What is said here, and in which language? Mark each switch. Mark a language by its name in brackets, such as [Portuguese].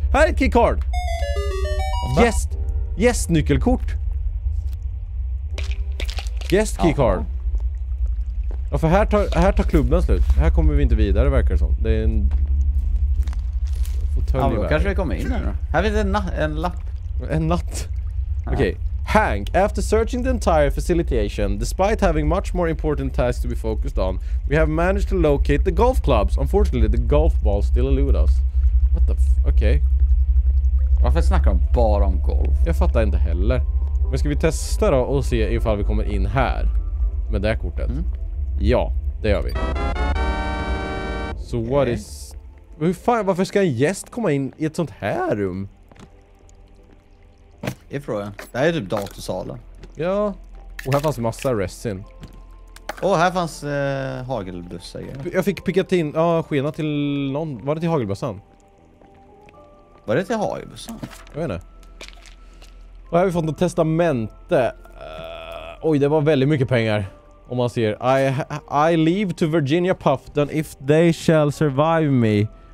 [Swedish] Här är ett keycard! Gäst! Gästnyckelkort! Gäst keycard! Ja. Ja, för här tar klubben slut. Här kommer vi inte vidare, verkar det som. Det är en... Ja, kanske vi kommer in här då. Här finns en lapp. En natt. Ja. Okej. Okay. [English] Hank, after searching the entire facilitation, despite having much more important tasks to be focused on, we have managed to locate the golf clubs. Unfortunately, the golf balls still elude us. What the f... Okej. Okay. [Swedish] Varför snackar de bara om golf? Jag fattar inte heller. Men ska vi testa då och se ifall vi kommer in här? Med det här kortet. Mm. Ja, det gör vi. Så vad är... Hur fan, varför ska en gäst komma in i ett sånt här rum? Det är frågan. Det här är typ datorsalen. Ja. Och här fanns massa resin. Och här fanns hagelbussar. Jag fick picka in, ja, skena till någon. Var det till hagelbussan? Var det till hagelbussan? Jag vet inte. Och här har vi fått ett testamente. Oj, det var väldigt mycket pengar. Om man ser. [English] I leave to Virginia Puffton if they shall survive me.